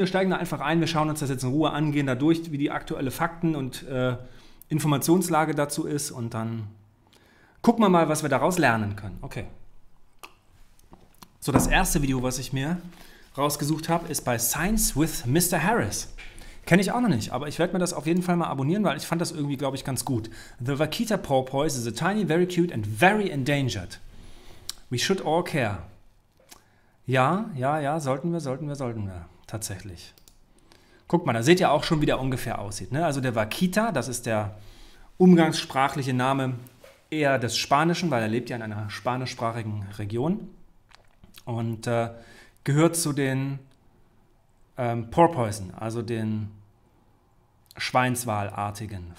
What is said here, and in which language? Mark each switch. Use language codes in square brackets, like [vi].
[de] Wir steigen da einfach ein, wir schauen uns das jetzt in Ruhe an, gehen da durch, wie die aktuelle Fakten und Informationslage dazu ist und dann gucken wir mal, was wir daraus lernen können. Okay. So, das erste Video, was ich mir rausgesucht habe, ist bei Science with Mr. Harris. Kenne ich auch noch nicht, aber ich werde mir das auf jeden Fall mal abonnieren, weil ich fand das irgendwie, glaube ich, ganz gut. [en] The Vaquita Porpoise is a tiny, very cute and very endangered. We should all care. [de] Ja, sollten wir, tatsächlich. Guckt mal, da seht ihr auch schon, wie der ungefähr aussieht. Ne? Also der Vaquita, das ist der umgangssprachliche Name eher des Spanischen, weil er lebt ja in einer spanischsprachigen Region und gehört zu den Porpoisen, also den Schweinswalartigen.